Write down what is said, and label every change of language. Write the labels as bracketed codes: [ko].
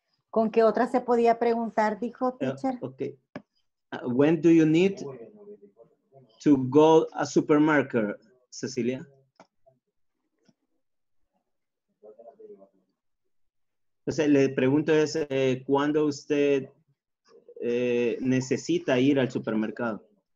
[es] ¿Con qué otra se podía preguntar, dijo teacher? [en] Okay. When do you need to go to a supermarket, Cecilia? [es] O sea, le pregunto es, ¿cuándo usted necesita ir al supermercado?